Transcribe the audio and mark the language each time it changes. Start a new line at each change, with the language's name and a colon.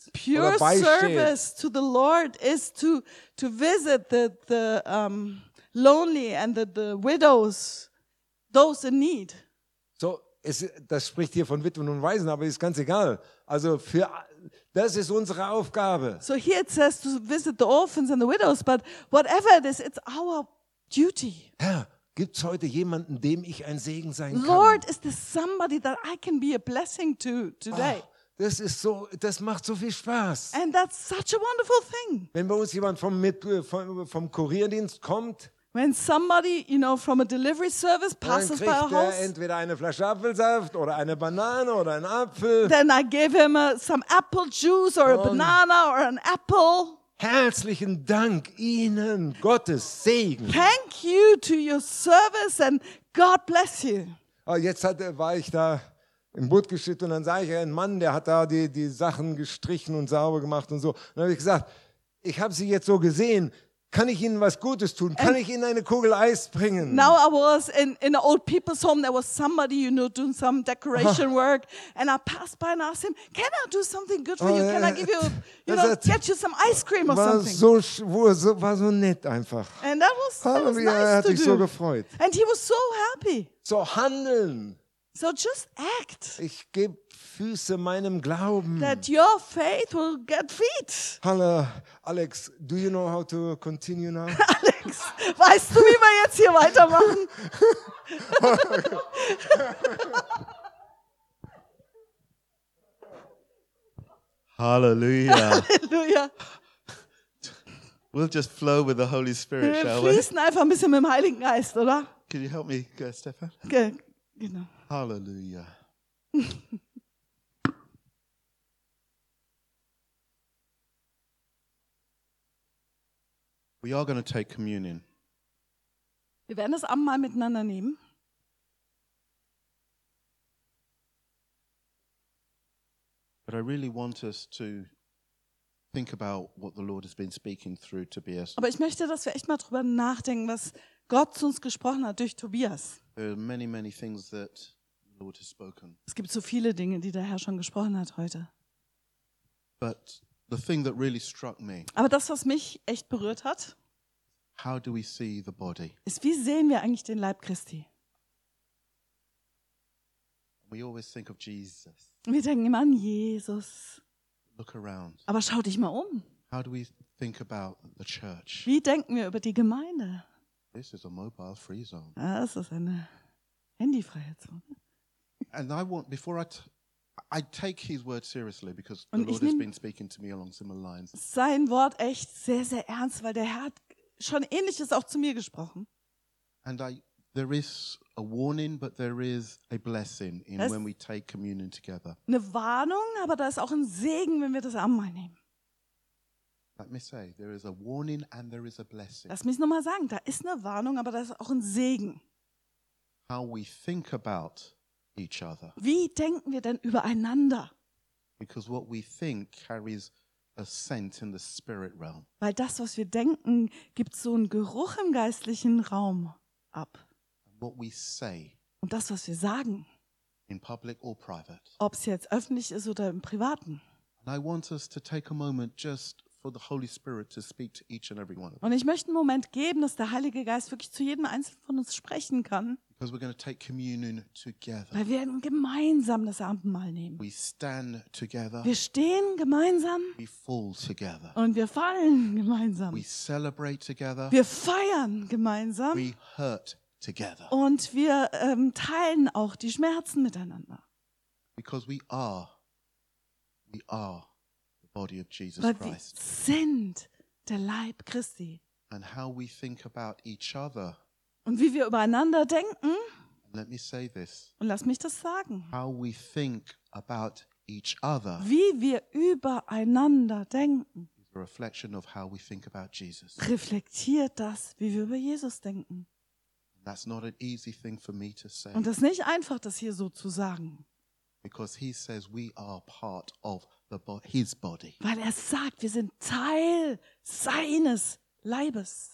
English: Pure service to the Lord is to visit the lonely and the widows, those in need.
German: So, das spricht hier von Witwen und Waisen, aber ist ganz egal. Also für das ist unsere Aufgabe.
English: So here it says to visit the orphans and the widows, but whatever it is, it's our duty.
German: Herr, gibt's heute jemanden, dem ich ein Segen sein kann?
English: Lord, is there somebody that I can be a blessing to today?
German: Ach. Das ist so, das macht so viel Spaß.
English: And that's such a wonderful thing.
German: Wenn bei uns jemand vom Kurierdienst kommt,
English: when somebody, you know, from a delivery service passes by our house,
German: dann kriegt er entweder eine Flasche Apfelsaft oder eine Banane oder einen Apfel.
English: Then I give him some apple juice or a banana or an apple.
German: Herzlichen Dank Ihnen, Gottes Segen.
English: Thank you to your service and God bless you.
German: Oh, jetzt war ich da im Boot geschickt und dann sah ich einen Mann, der hat da die Sachen gestrichen und sauber gemacht und so. Und dann habe ich gesagt, ich habe Sie jetzt so gesehen, kann ich Ihnen was Gutes tun? Kann ich Ihnen eine Kugel Eis bringen?
English: Now I was in an old people's home, there was somebody, you know, doing some decoration work and I passed by and asked him, can I do something good for you? Can I give get you some ice cream or something?
German: War so nett einfach.
English: And that was, nice to do.
German: Er hat sich so gefreut.
English: And he was so happy.
German: So handeln.
English: So just act.
German: Ich gebe Füße meinem Glauben.
English: That your faith will get feet. Hallo, Alex, do you know how to continue now?
German: Alex, weißt du, wie wir jetzt hier weitermachen? Halleluja. Halleluja.
English: We'll just flow with the Holy Spirit, shall we?
German: Wir fließen einfach ein bisschen mit dem Heiligen Geist, oder?
English: Can you help me, Stefan?
German: Okay. Genau. Halleluja.
English: We are going to take communion.
German: Wir werden das Abendmahl miteinander nehmen.
English: But I really want us to think about what the Lord has been speaking through Tobias.
German: Aber ich möchte, dass wir echt mal drüber nachdenken, was Gott zu uns gesprochen hat durch Tobias.
English: There are many, many things that the Lord has spoken.
German: Es gibt so viele Dinge, die der Herr schon gesprochen hat heute.
English: But the thing that really struck me.
German: Aber das, was mich echt berührt hat.
English: How do we see the body?
German: Ist, wie sehen wir eigentlich den Leib Christi?
English: We always think of Jesus.
German: Wir denken immer an Jesus.
English: Look around.
German: Aber schau dich mal um.
English: How do we think about the church?
German: Wie denken wir über die Gemeinde?
English: This is a mobile free zone.
German: Ah, das ist eine handyfreie Zone.
English: And I want before I take his word seriously because the Lord has been speaking to me along similar lines.
German: Sein Wort echt sehr sehr ernst, weil der Herr hat schon Ähnliches auch zu mir gesprochen.
English: And there is a warning, but there is a blessing in when we take communion together.
German: Eine Warnung, aber da ist auch ein Segen, wenn wir das Abendmahl nehmen.
English: Let me say, there is a warning and there is a blessing.
German: Lass mich nochmal sagen, da ist eine Warnung, aber da ist auch ein Segen.
English: How we think about each other.
German: Wie denken wir denn übereinander?
English: Because what we think carries a scent in the spirit realm.
German: Weil das, was wir denken, gibt so einen Geruch im geistlichen Raum ab.
English: What we say.
German: Und das, was wir sagen,
English: In public or private.
German: Ob's jetzt öffentlich ist oder im Privaten.
English: And I want us to take a moment just for the Holy Spirit to speak to each and every one of us.
German: Und ich möchte einen Moment geben, dass der Heilige Geist wirklich zu jedem Einzelnen von uns sprechen kann.
English: Because we're going to take communion together.
German: Weil wir gemeinsam das Abendmahl nehmen.
English: We stand together.
German: Wir stehen gemeinsam.
English: We fall together.
German: Und wir fallen gemeinsam.
English: We celebrate together.
German: Wir feiern gemeinsam.
English: We hurt together.
German: Und wir teilen auch die Schmerzen miteinander.
English: Because we are the body of Jesus Christ.
German: Weil wir sind der Leib Christi.
English: And how we think about each other.
German: Und wie wir übereinander denken.
English: Let me say this.
German: Und lass mich das sagen.
English: How we think about each other.
German: Wie wir übereinander denken.
English: Is a reflection of how we think about Jesus.
German: Reflektiert das, wie wir über Jesus denken.
English: That's not an easy thing for me to say.
German: Und das ist nicht einfach, das hier so zu sagen.
English: Because he says we are part of his body.
German: Weil er sagt, wir sind Teil seines Leibes.